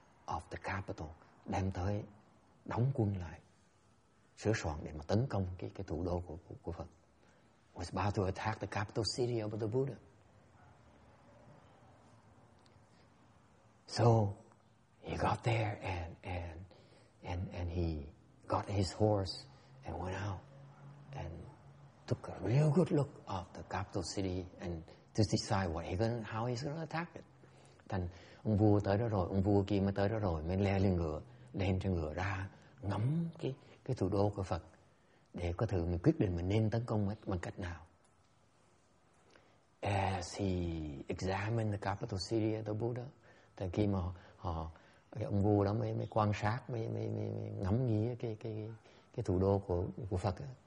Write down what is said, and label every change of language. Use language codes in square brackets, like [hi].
[en] of the capital, [vi] đem tới đóng quân lại, sửa soạn để mà tấn công cái thủ đô của Phật. [en] Was about to attack the capital city of the Buddha. So he got there and he got his horse and went out and took a real good look of the capital city and to decide what how he's gonna attack it. [vi] Thành ông vua tới đó rồi, ông vua kia mới tới đó rồi, mới leo lên ngựa, lên trên ngựa ra ngắm cái thủ đô của Phật để có thử mình quyết định mình nên tấn công bằng cách nào. [en] As he examined the capital city of the Buddha, [vi] thì khi mà ông vua đó mới quan sát, mới ngắm nghía cái thủ đô của Phật đó.